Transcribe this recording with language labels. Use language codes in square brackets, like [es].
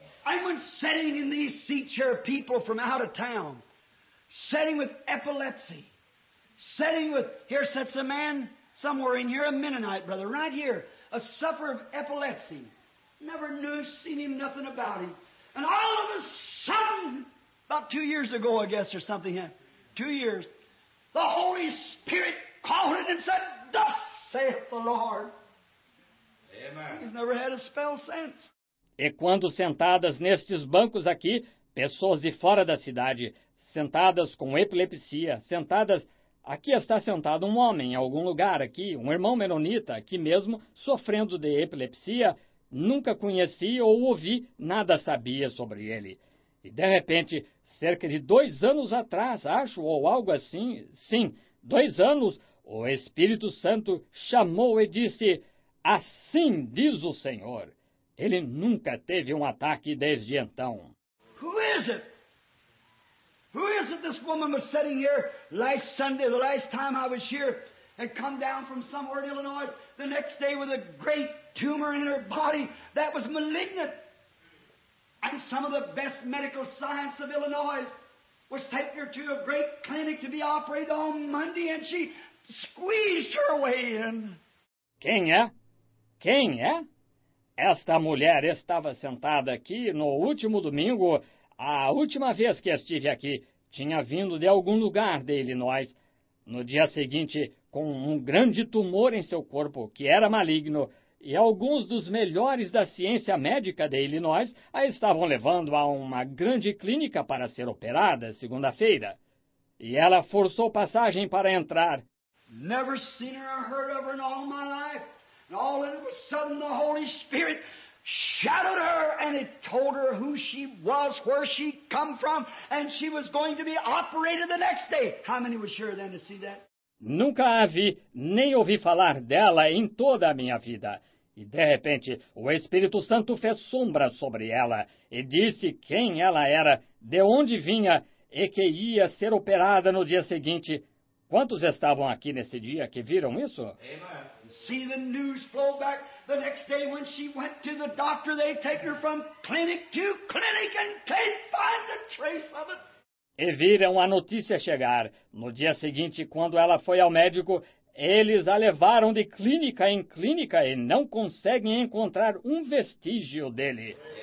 [en] I'm sitting in these seats here, people from out of town, sitting with epilepsy. sitting with, here sits a man somewhere in here, a Mennonite brother, right here, a sufferer of epilepsy. Never knew, seen him, nothing about him. And all of a sudden, about 2 years ago, I guess, or something, 2 years, the Holy Spirit called it and said, "Thus saith the Lord." Amen. He's never had a spell since. [pt] E quando sentadas nestes bancos aqui, pessoas de fora da cidade, sentadas com epilepsia, sentadas... Aqui está sentado um homem, em algum lugar aqui, um irmão menonita, aqui mesmo, sofrendo de epilepsia, nunca conheci ou ouvi, nada sabia sobre ele. E de repente, cerca de 2 anos atrás, acho, ou algo assim, sim, 2 anos, o Espírito Santo chamou e disse, assim diz o Senhor. Ele nunca teve um ataque desde então. [en] Who is it? Who is it? This woman was sitting here last Sunday, the last time I was here, and come down from somewhere in Illinois the next day with a great tumor in her body that was malignant. And some of the best medical science of Illinois was taking her to a great clinic to be operated on Monday, and she squeezed her way in. [pt] Quem é? Quem é? Esta mulher estava sentada aqui no último domingo, a última vez que estive aqui, tinha vindo de algum lugar de Illinois. No dia seguinte, com um grande tumor em seu corpo, que era maligno, e alguns dos melhores da ciência médica de Illinois a estavam levando a uma grande clínica para ser operada segunda-feira. E ela forçou passagem para entrar. [en] Never seen her or heard of her in all my life. And all of a sudden the Holy Spirit shattered her and it told her who she was, where she come from, and she was going to be operated the next day. How many were sure then to see that? [pt] Nunca a vi, nem ouvi falar dela em toda a minha vida. E de repente, o Espírito Santo fez sombra sobre ela e disse quem ela era, de onde vinha e que ia ser operada no dia seguinte. Quantos estavam aqui nesse dia que viram isso? [en] Amen. See the news flow back the next day when she went to the doctor, they take her from clinic to clinic and can't find the trace of it. [pt] E viram a notícia chegar. No dia seguinte, quando ela foi ao médico, eles a levaram de clínica em clínica e não conseguem encontrar um vestígio dele.